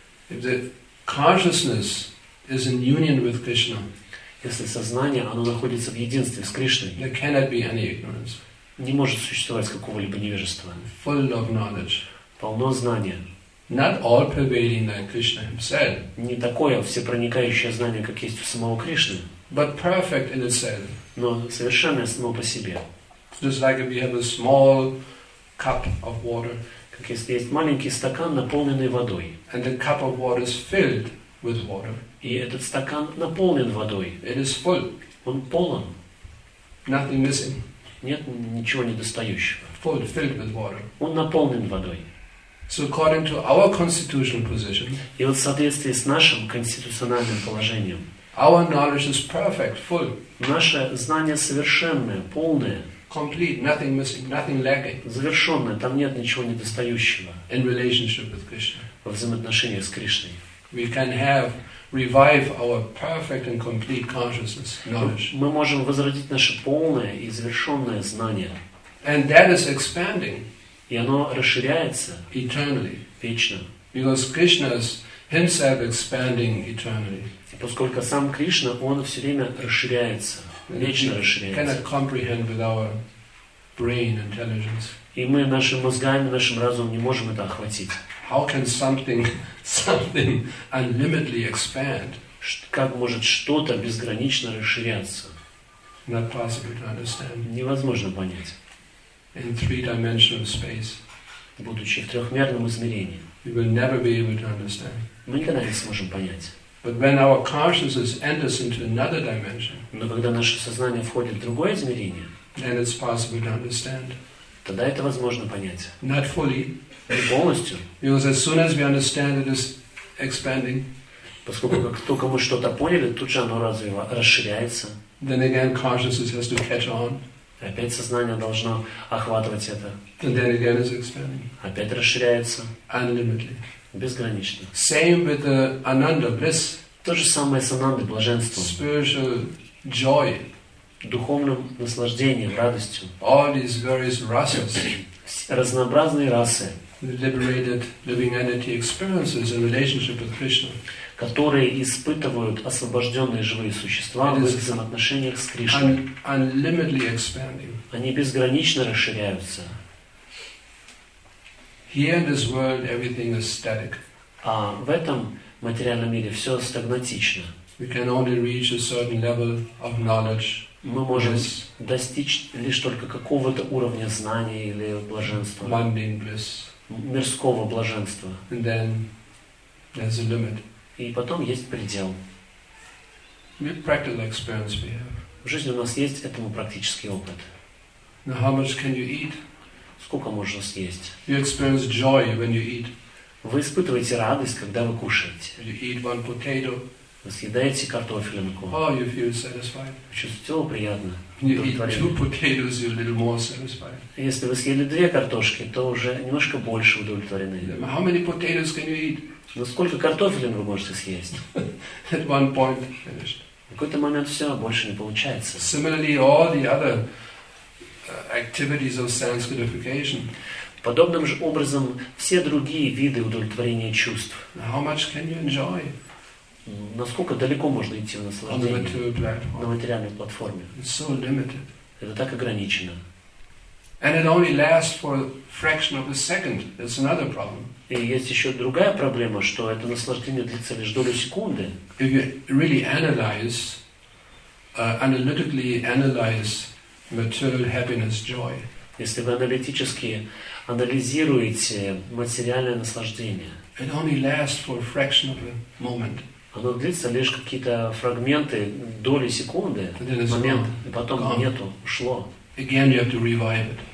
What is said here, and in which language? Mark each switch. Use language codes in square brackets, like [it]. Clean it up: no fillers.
[en] If the consciousness is in union with Krishna, [ru] если сознание, оно находится в единстве с Кришной, [en] there cannot be any ignorance. [ru] Не может существовать какого-либо невежества. [en] Full of knowledge. [ru] Полно знания. [en] Not all pervading like Krishna himself. [ru] Не такое всепроникающее знание, как есть у самого Кришны. [en] But perfect in itself. [ru] Но совершенное само по себе. [en] Just like if we have a small cup of water. [ru] Как если есть маленький стакан, наполненный водой. [en] And the cup of water is filled with water. [ru] И этот стакан наполнен водой. [en] It is full. [ru] Он полон. [en] Nothing missing. [ru] Нет ничего недостающего. [en] Full, filled with water. [ru] Он наполнен водой. [en] So according to our constitutional position, [ru] и вот в соответствии с нашим конституциональным положением, [en] our knowledge is perfect, full. [ru] Наше знание совершенное, полное. [en] Complete, nothing missing, nothing lacking. [ru] Завершенное, там нет ничего недостающего. [en] In relationship with Krishna. [ru] Во взаимоотношениях с Кришной. [en] We can have revive our perfect and complete consciousness, knowledge. [ru] Мы можем возродить наше полное и завершенное знание. [en] And that is expanding. [ru] И оно расширяется [en] eternally. [ru] Вечно. [en] Because Krishna is himself expanding eternally. [ru] И поскольку сам Кришна, он все время расширяется, вечно расширяется. [en] Cannot comprehend with our brain intelligence. [ru] И мы нашим мозгами, нашим разумом не можем это охватить. [en] How can something unlimitedly expand? [ru] Как может что-то безгранично расширяться? [en] Not possible to understand. [ru] Невозможно понять. [en] In three-dimensional space, [ru] будучи в трехмерном измерении, [en] we will never be able to understand. [ru] Мы никогда не сможем понять. [en] But when our consciousness enters into another dimension, [ru] но когда наше сознание входит в другое измерение, [en] then it's possible to understand. [ru] Тогда это возможно понять. [en] Not fully. [ru] Не полностью. [en] Because as soon as we understand, it is expanding. [ru] Поскольку как только мы что-то поняли, тут же оно расширяется. [en] Then again, consciousness has to catch on. [ru] Опять сознание должно охватывать это. [en] And then again, it's expanding. [ru] Опять расширяется. [en] Unlimitedly. [ru] Безгранично. [en] Same with the ananda bliss. [ru] То же самое с анандой, блаженством. [en] Spiritual joy. [ru] Духовным наслаждением, радостью. [en] All these various rasas. [ru] Разнообразные расы. [en] Liberated living entity experiences in relationship with Krishna. [ru] Которые испытывают освобожденные живые существа в их взаимоотношениях с Кришной. [en] Unlimitedly expanding. [ru] Они безгранично расширяются. [en] Here in this world everything is static. [ru] А в этом материальном мире все стагматично. [en] We can only reach a certain level of knowledge. [ru] Мы можем достичь лишь только какого-то уровня знания или блаженства. [en] Mundane bliss. [ru] Мирского блаженства. [en] And then there's a limit. [ru] И потом есть предел. [en] We have practical experience we have. [ru] В жизни у нас есть этому практический опыт. [en] Now how much can you eat? [ru] Сколько можно съесть? [en] You experience joy when you eat. [ru] Вы испытываете радость, когда вы кушаете. [en] You eat one potato. [ru] Вы съедаете картофелинку. [en] Oh, you feel satisfied. [ru] Чувствуете приятно. [en] You eat two potatoes, you're a little more satisfied. [ru] Если вы съели две картошки, то уже немножко больше удовлетворены. [en] How many potatoes can you eat? [ru] Но сколько картофелин вы можете съесть? [en] At one point, finished. [ru] В какой-то момент все, больше не получается. [en] Similarly, all the other activities of sense gratification. [ru] Подобным же образом все другие виды удовлетворения чувств. [en] How much can you enjoy? [ru] Насколько далеко можно идти в наслаждении на материальной платформе? [en] It's so limited. [ru] Это так ограничено. [en] And it only lasts for a fraction of a second. That's another problem. [ru] И есть еще другая проблема, что это наслаждение длится лишь долю секунды. [en] If you really analyze, analytically analyze material happiness, joy. [ru] Если вы аналитически анализируете материальное наслаждение, [en] it only lasts for a fraction of a moment. [ru] Оно длится лишь какие-то фрагменты, доли секунды, момент, и потом нету, ушло. [en] Again, you have to revive it.